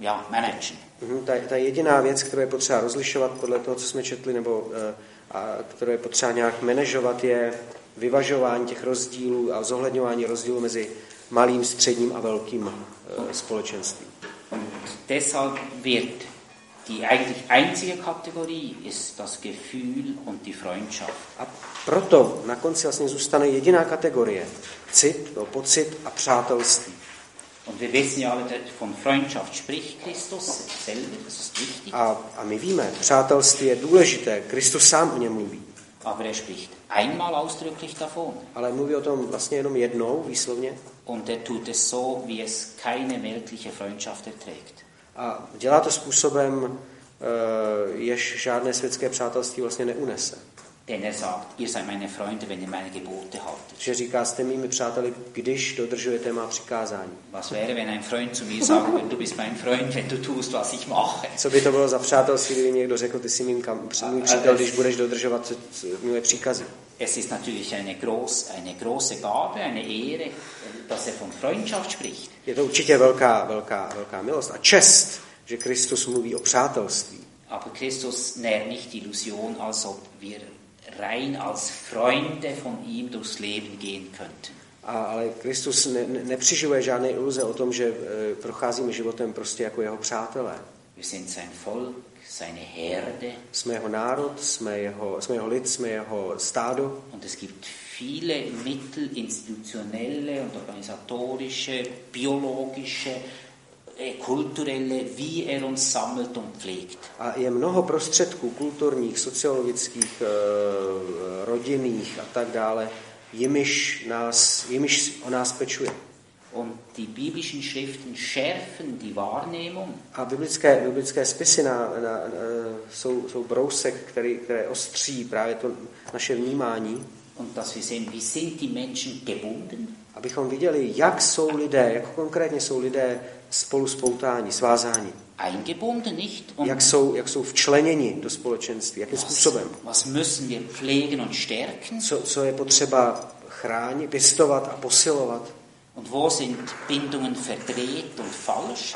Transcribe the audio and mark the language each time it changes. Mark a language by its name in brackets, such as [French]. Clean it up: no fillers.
[German] Managen. [Czech] Ta jediná věc, kterou je potřeba rozlišovat podle toho, co jsme četli, nebo kterou je potřeba nějak manažovat, je vyvažování těch rozdílů a zohledňování rozdílů mezi malým, středním a velkým společenstvím. [German] Deshalb wird die eigentlich einzige Kategorie ist das Gefühl und die Freundschaft. [Czech] A proto na konci vlastně zůstane jediná kategorie, cit, pocit a přátelství. [German] Und wir wissen ja alle, von Freundschaft spricht Christus selber, das ist wichtig. [Czech] A my víme, přátelství je důležité, Kristus sám o něm mluví. [German] Aber er spricht einmal ausdrücklich davon. [Czech] Ale mluví o tom vlastně jenom jednou, výslovně. [German] Und er tut es so, wie es keine weltliche Freundschaft erträgt. [Czech] A dělá to způsobem, jež žádné světské přátelství vlastně neunese. [German] Denn er sagt, ihr seid meine Freunde, wenn ihr meine Gebote haltet. [Czech] Že říká, jste mými přáteli, když dodržujete má přikázání. [German] Was wäre, wenn ein Freund zu mir sagt, wenn du bist mein Freund, wenn du tust, was ich mache. [Czech] Co by to bylo za přátelství, kdyby někdo řekl, ty jsi mým přítel, když budeš dodržovat moje příkazy. [German] Es ist natürlich eine große Gabe, eine Ehre, dass er von Freundschaft spricht. [Czech] Je to určitě velká milost a čest, že Kristus mluví o přátelství. [German] Aber Christus nährt nicht die Illusion, als ob wir rein als Freunde von ihm durchs Leben gehen könnten. [Czech] Ale Kristus nepřiživuje žádné iluze o tom, že procházíme životem prostě jako jeho přátelé. [German] Wir sind sein Volk, seine Herde. [Czech] Jsme jeho národ, jsme jeho lid, jsme jeho stádo. [German] Und es gibt viele Mittel, institutionelle und organisatorische, biologische, kulturelle, wie er uns sammelt und pflegt. [Czech] A je mnoho prostředků kulturních, sociologických, rodinných a tak dále, jimiž o nás pečuje. [German] Und die biblischen Schriften schärfen die Wahrnehmung. [Czech] A biblické spisy jsou brousek, které ostří právě to naše vnímání. [German] Und dass wir sehen, wie sind die Menschen gebunden? [Czech] Abychom viděli, jak jsou lidé, jak konkrétně jsou lidé spolu spoutání, svázání. [German] Eingebunden, nicht? [Czech] Und jak jsou včleněni do společenství, jakým způsobem. [German] Was müssen wir pflegen und stärken? [Czech] Co je potřeba chránit, pěstovat a posilovat? [German] Und wo sind Bindungen verdreht und falsch?